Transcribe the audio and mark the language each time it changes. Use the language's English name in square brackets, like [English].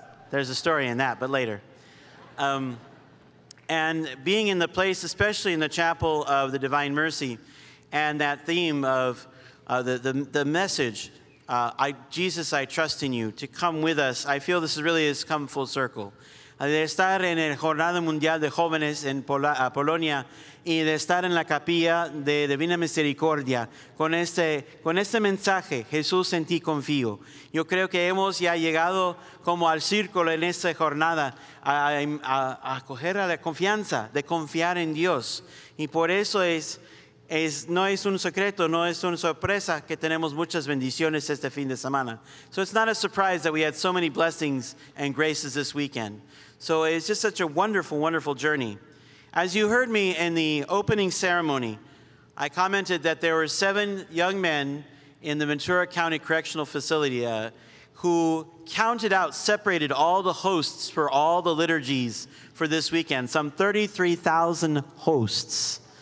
[English] There's a story in that, but later. And being in the place, especially in the Chapel of the Divine Mercy, and that theme of the message, Jesus, I trust in you, to come with us, I feel this really has come full circle. [Spanish] De estar en el Jornada Mundial de Jóvenes en Polonia y de estar en la Capilla de Divina Misericordia con este mensaje, Jesús, en ti confío. Yo creo que hemos ya llegado como al círculo en esta jornada a coger a la confianza, de confiar en Dios. Y por eso no es un secreto, no es una sorpresa que tenemos muchas bendiciones este fin de semana. [English] So it's not a surprise that we had so many blessings and graces this weekend. So it's just such a wonderful, wonderful journey. As you heard me in the opening ceremony, I commented that there were 7 young men in the Ventura County Correctional Facility who counted out, separated all the hosts for all the liturgies for this weekend, some 33,000 hosts.